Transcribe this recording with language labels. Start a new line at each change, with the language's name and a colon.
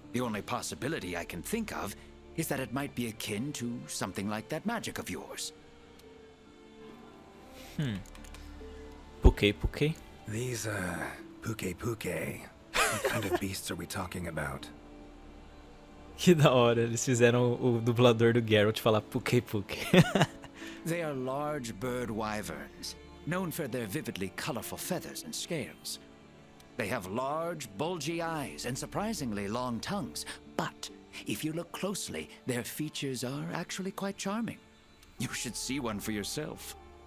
English: The only possibility I can think of is that it might be akin to something like that magic of yours. Puke puke? These, puke puke. What kind of beasts are we talking about?
Portuguese: Que da hora, eles fizeram o dublador do Geralt falar
English: puke puke. They are large bird wyverns, known for their vividly colorful feathers and scales. They have large, bulgy eyes and surprisingly long tongues. But if you look closely, their features are actually quite charming. You should see one for yourself.